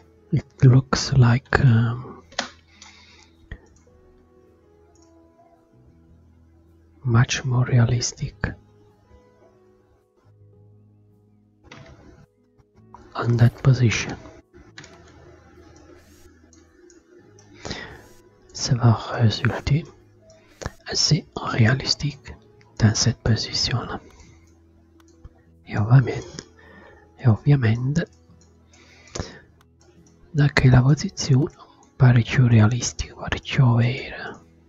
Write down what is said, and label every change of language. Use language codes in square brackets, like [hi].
[en] It looks like much more realistic on that position. [fr] Ça va résulter assez realistique dans cette position. [it] E ovviamente da che la posizione pare più realistica, pare più vera.